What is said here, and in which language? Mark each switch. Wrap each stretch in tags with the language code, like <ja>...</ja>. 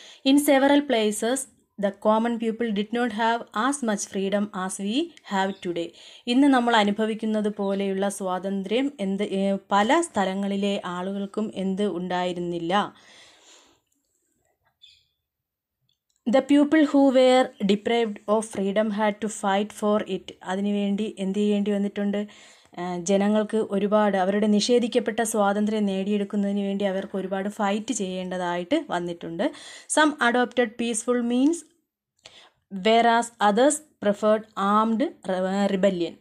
<en>In several places the common people did not have as much freedom as we have today.</en> <ml>ഇന്ന് നമ്മൾ അനുഭവിക്കുന്നത് പോലെയുള്ള സ്വാതന്ത്ര്യം എന്ത് പല സ്ഥലങ്ങളിലെ ആളുകൾക്കും എന്ത് ഉണ്ടായിരുന്നില്ല.</ml> <en>The people who were deprived of freedom had to fight for it.</en> <ml>അതിനുവേണ്ടി എന്ത് ചെയ്യേണ്ടി വന്നിട്ടുണ്ട്, ജനങ്ങൾക്ക് ഒരുപാട്, അവരുടെ നിഷേധിക്കപ്പെട്ട സ്വാതന്ത്ര്യം നേടിയെടുക്കുന്നതിന് വേണ്ടി അവർക്ക് ഒരുപാട് ഫൈറ്റ് ചെയ്യേണ്ടതായിട്ട് വന്നിട്ടുണ്ട്.</ml> <en>Some adopted peaceful means whereas others preferred armed rebellion.</en>